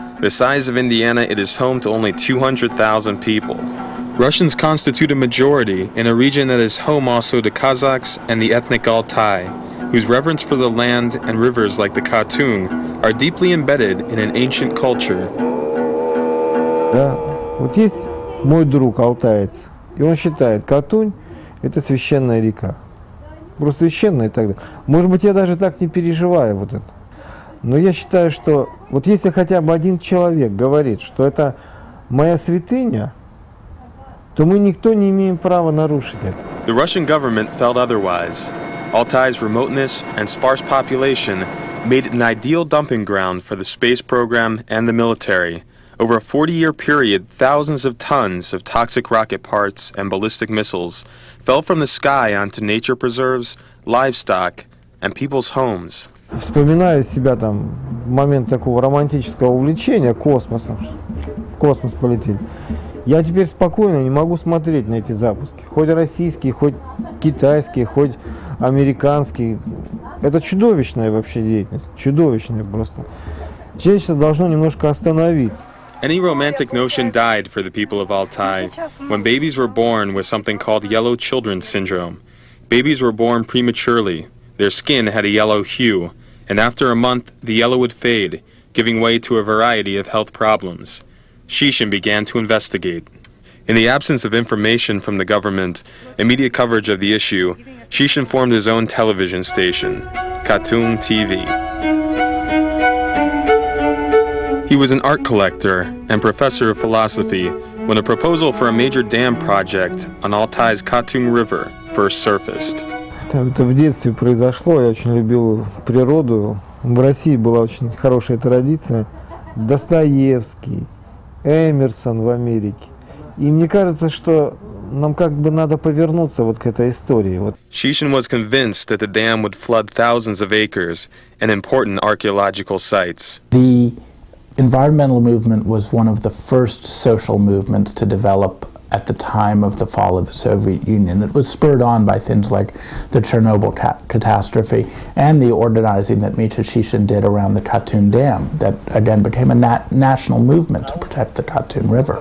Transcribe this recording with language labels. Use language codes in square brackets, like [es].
[en] The size of Indiana, it is home to only 200,000 people. Russians constitute a majority in a region that is home also to Kazakhs and the ethnic Altai, whose reverence for the land and rivers like the Khatun are deeply embedded in an ancient culture. [ru] Да, вот есть мой друг алтаец, и он считает, Катунь – это священная река, просто священная и так далее. Может быть, я даже так не переживаю вот это, но я считаю, что вот если хотя бы один человек говорит, что это моя святыня, то мы никто не имеем права нарушить это. [en] The Russian government felt otherwise. Altai's remoteness and sparse population made it an ideal dumping ground for the space program and the military. Over a 40-year period, thousands of tons of toxic rocket parts and ballistic missiles fell from the sky onto nature preserves, livestock, and people's homes. [ru] Вспоминаю себя там в момент такого романтического увлечения космосом, в космос полетели. Я теперь спокойно не могу смотреть на эти запуски, хоть российские, хоть китайские, хоть американские. Это чудовищная вообще деятельность, чудовищная просто. Человечество должно немножко остановиться. [en] Any romantic notion died for the people of Altai when babies were born with something called yellow children's syndrome. Babies were born prematurely. Their skin had a yellow hue, and after a month, the yellow would fade, giving way to a variety of health problems. Shishin began to investigate. In the absence of information from the government and media coverage of the issue, Shishin formed his own television station, Khatun TV. He was an art collector and professor of philosophy when a proposal for a major dam project on Altai's Khatun River first surfaced. [ru] Это в детстве произошло. Я очень любил природу. В России была очень хорошая традиция. Достоевский, Эмерсон в Америке. И мне кажется, что нам как бы надо повернуться вот к этой истории. [en] Shishin was convinced that the dam would flood thousands of acres and important archaeological sites. The environmental movement was one of the first social movements to develop at the time of the fall of the Soviet Union. It was spurred on by things like the Chernobyl catastrophe and the organizing that Mitya Shishin did around the Katyn Dam that again became a national movement to protect the Katyn River.